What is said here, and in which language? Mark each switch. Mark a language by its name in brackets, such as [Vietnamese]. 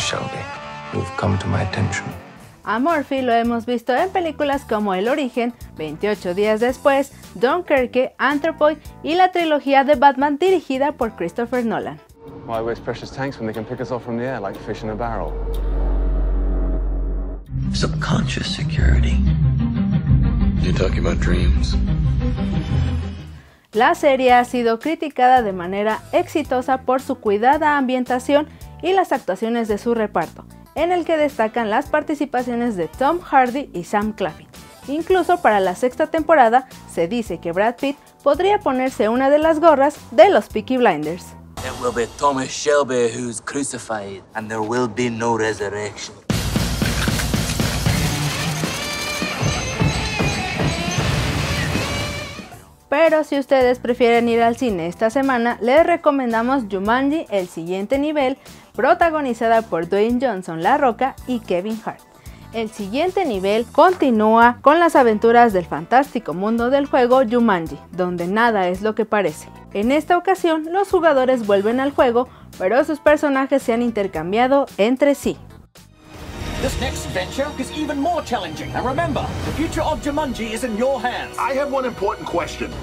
[English] Shelby, you've come to my attention. [Spanish] A Murphy lo hemos visto en películas como El Origen, 28 días después, Dunkirk, Anthropoid y la trilogía de Batman dirigida por Christopher Nolan. [English] Why waste precious tanks when they can pick us off from the air like fish in a barrel? Subconscious security. You're talking about dreams. [Spanish] La serie ha sido criticada de manera exitosa por su cuidada ambientación y las actuaciones de su reparto, en el que destacan las participaciones de Tom Hardy y Sam Claflin. Incluso para la sexta temporada, se dice que Brad Pitt podría ponerse una de las gorras de los Peaky Blinders. [English] It will be Thomas Shelby who's crucified, and there will be no resurrection. [Spanish] Pero si ustedes prefieren ir al cine esta semana, les recomendamos Jumanji, El Siguiente Nivel, protagonizada por Dwayne Johnson, La Roca y Kevin Hart. El Siguiente Nivel continúa con las aventuras del fantástico mundo del juego Jumanji, donde nada es lo que parece. En esta ocasión, los jugadores vuelven al juego, pero sus personajes se han intercambiado entre sí. [English] This next adventure is even more challenging. And remember, the future of Jumanji is in your hands. I have one important question.